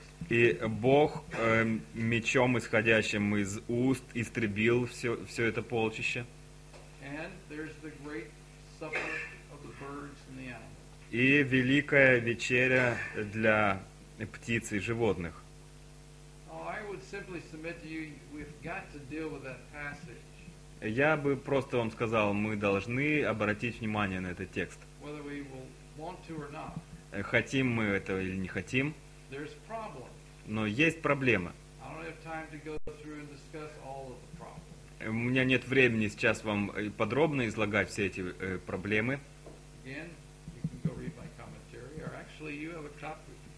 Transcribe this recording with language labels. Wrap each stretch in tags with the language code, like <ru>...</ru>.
<ru>И Бог мечом, исходящим из уст, истребил все это полчище.</ru> <en>And there's the great supper of the birds and the animals.</en> <ru>И великая вечеря для птиц и животных.</ru> <en>Oh, I would simply submit to you, we've got to deal with that passage.</en> <ru>Я бы просто вам сказал, мы должны обратить внимание на этот текст.</ru> <en>Whether we will want to or not.</en> <ru>Хотим мы этого или не хотим.</ru> <en>There's a problem.</en> <ru>Но есть проблема.</ru> <en>I don't have time to go through and discuss all of the problems.</en> <ru>У меня нет времени сейчас вам подробно излагать все эти проблемы.</ru> <en>Again, you can go read my commentary, or actually you have a copy.</en>